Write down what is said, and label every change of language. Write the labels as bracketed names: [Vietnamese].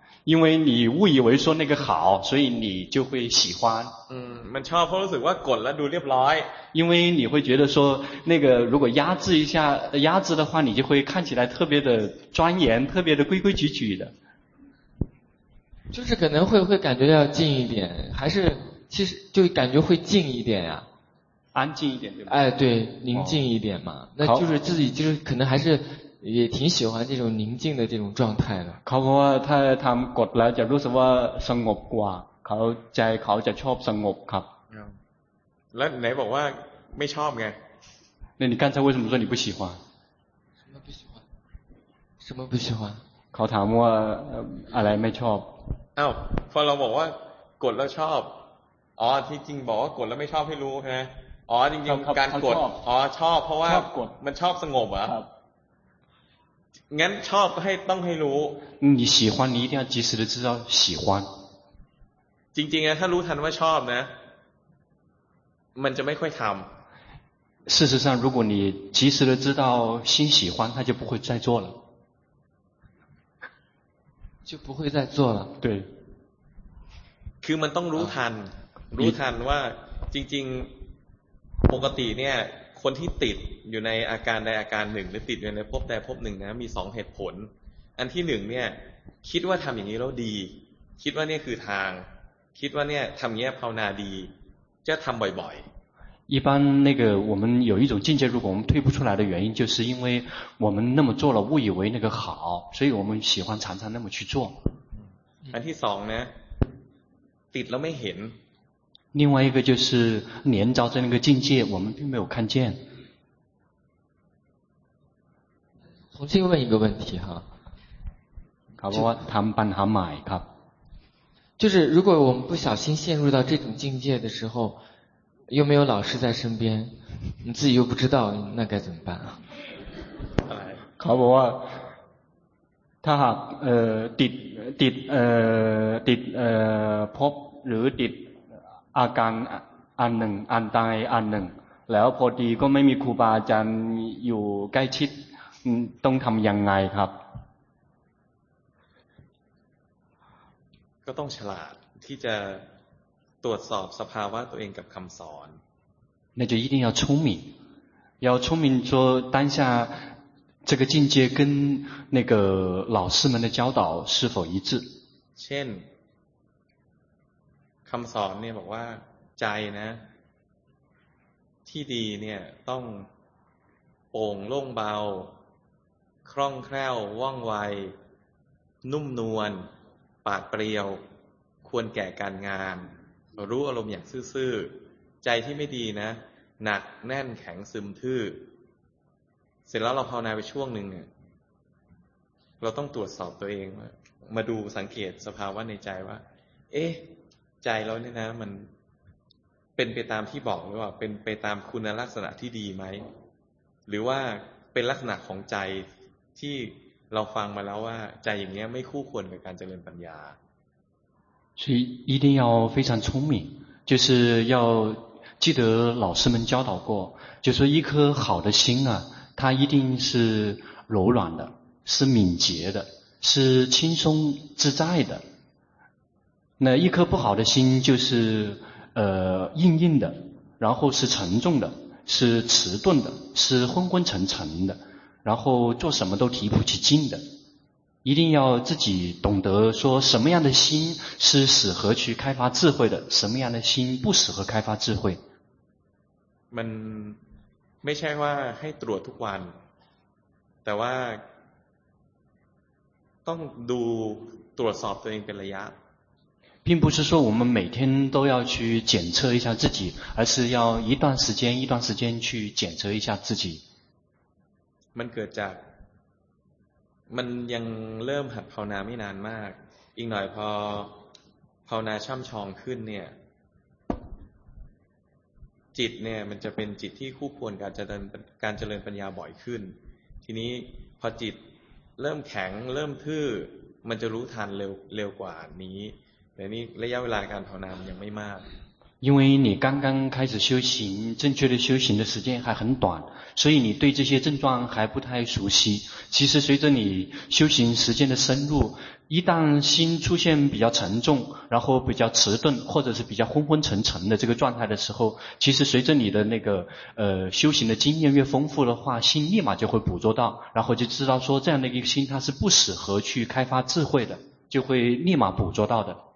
[Chinese] 因为你误以为说那个好所以你就会喜欢 [Thai] มันชอบเพราะรู้สึกว่ากดแล้วดูเรียบร้อย [Chinese] 因为你会觉得说那个如果压制一下压制的话你就会看起来特别的庄严特别的规规矩矩的就是可能会感觉要静一点还是其实就感觉会静一点啊安静一点对吧哎对宁静一点嘛那就是自己就是可能还是也挺喜欢这种宁静的这种状态的。 [Thai] เขาบอกว่าถ้าทำกดแล้วจะรู้สึกว่าสงบกว่าเขาใจเขาจะชอบสงบครับ。 แล้วไหนบอกว่าไม่ชอบไง？ [Chinese] 那你刚才为什么说你不喜欢？什么不喜欢？什么不喜欢？ [Thai] เขาถามว่าอะไรไม่ชอบ อ้าวพอเราบอกว่ากดแล้วชอบอ๋อที่จริงบอกว่ากดแล้วไม่ชอบให้รู้ใช่ไหมอ๋อจริงๆการกดอ๋อชอบเพราะว่ามันชอบสงบอ่ะงั้นชอบก็ให้ต้องให้รู้ [Chinese] 你喜欢你一定要及时的知道喜欢 [Thai] จริงๆนะถ้ารู้ทันว่าชอบนะมันจะไม่ค่อยทำ [Chinese] 事实上如果你及时的知道心喜欢他就不会再做了就不会再做了对 [Thai] คือมันต้องรู้ทันรู้ทันว่าจริงๆปกติเนี่ยคนที่ติดอยู่ในอาการใดอาการหนึ่งหรือติดอยู่ในภพใดภพหนึ่งนะมีสองเหตุผลอันที่หนึ่งเนี่ยคิดว่าทำอย่างนี้แล้วดีคิดว่าเนี่ยคือทางคิดว่าเนี่ยทำเงี้ยภาวนาดีจะทำบ่อย [Chinese] ๆ一般那个我们有一种境界如果我们退不出来的原因就是因为我们那么做了误以为那个好所以我们喜欢常常那么去做 [Thai] อันที่สองนะติดแล้วไม่เห็น [Chinese] 另外一个就是连招在那个境界我们并没有看见重新问一个问题哈好不好谈办好买ครับ 就是如果我们不小心陷入到这种境界的时候又没有老师在身边你自己又不知道那该怎么办啊 [Thai] ครับว่าถ้าติดพบหรือติดอาการอันหนึ่งอันใดอันหนึ่งแล้วพอดีก็ไม่มีครูบาอาจารย์อยู่ใกล้ชิดต้องทำยังไงครับ ก็ต้องฉลาดที่จะตรวจสอบสภาวะตัวเองกับคำสอน [Chinese] 那就一定要聪明要聪明说当下这个境界跟那个老师们的教导是否一致 [Thai] เช่นคำสอนเนี่ยบอกว่าใจนะที่ดีเนี่ยต้องโป่งโล่งเบาคล่องแคล่วว่องไวนุ่มนวลปาดเปรียวควรแก่การงานรู้อารมณ์อย่างซื่อๆใจที่ไม่ดีนะหนักแน่นแข็งซึมทื่อเสร็จแล้วเราภาวนาไปช่วงหนึ่ง เราต้องตรวจสอบตัวเองมาดูสังเกตสภาวะในใจว่าเอ๊ะใจเราเนี่ยนะมันเป็นไปตามที่บอกหรือว่าเป็นไปตามคุณลักษณะที่ดีไหมหรือว่าเป็นลักษณะของใจที่เราฟังมาแล้วว่าใจอย่างนี้ไม่คู่ควรกับการเจริญปัญญา [Chinese] 所以一定要非常聪明就是要记得老师们教导过就是一颗好的心啊它一定是柔软的是敏捷的是轻松自在的那一颗不好的心就是硬硬的然后是沉重的是迟钝的是昏昏沉沉的然后做什么都提不起劲的一定要自己懂得说什么样的心是适合去开发智慧的什么样的心不适合开发智慧 [Thai] มันไม่ใช่ว่าให้ตรวจทุกวันแต่ว่าต้องดูตรวจสอบตัวเองเป็นระยะ [Chinese] 并不是说我们每天都要去检测一下自己而是要一段时间一段时间去检测一下自己 [Thai] มันเกิดจากมันยังเริ่มหัดภาวนาไม่นานมากอีกหน่อยพอภาวนาช่ำชองขึ้นเนี่ยจิตเนี่ยมันจะเป็นจิตที่คู่ควรการเจริญการเจริญปัญญาบ่อยขึ้นทีนี้พอจิตเริ่มแข็งเริ่มทื่อมันจะรู้ทันเร็วกว่านี้แต่นี่ระยะเวลาการภาวนายังไม่มาก [Chinese] 因为你刚刚开始修行正确的修行的时间还很短所以你对这些症状还不太熟悉其实随着你修行时间的深入一旦心出现比较沉重然后比较迟钝或者是比较昏昏沉沉的这个状态的时候其实随着你的那个修行的经验越丰富的话心立马就会捕捉到然后就知道说这样的一个心它是不适合去开发智慧的就会立马捕捉到的